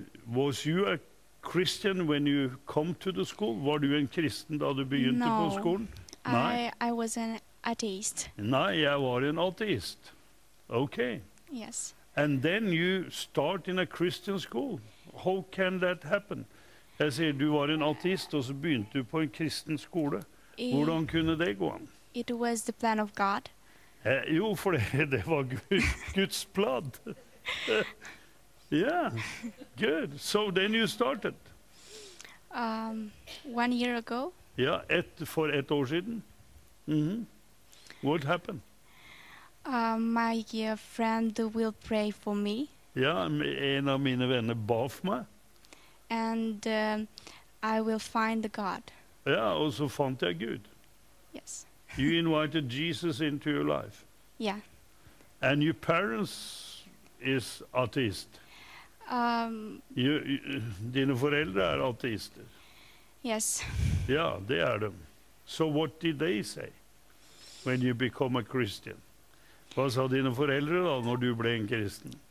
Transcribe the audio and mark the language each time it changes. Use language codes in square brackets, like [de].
[en] Was you a Christian when you come to the school? [no] Var du en kristen da du begynte på skolen? [en] Nei. I was an atheist. [no] Nei, jeg var en atheist. Okay. [en] Yes. And then you start in a Christian school. How can that happen? [no] Jeg sier, du var en atheist, og så begynte du på en kristen skole. Hvordan kunne det gå an? [en] It was the plan of God. [no] Jo, for det var Guds plan. [en] Yeah, good. So then you started. 1 year ago. [no] Yeah, for 1 year siden. Mm-hmm. [en] What happened? My friend will pray for me. [no] Yeah, en av mine venner ba for meg. [en] And I will find the God. [no] Yeah, og så fant jeg Gud. [en] Yes. You invited Jesus into your life. Yeah. And your parents is atheist. [no] Dine foreldre ateister? [en] Yes. [no] Ja, det de. [en] So what did they say when you become a Christian? [no] Hva sa dine foreldre da når du ble en kristen?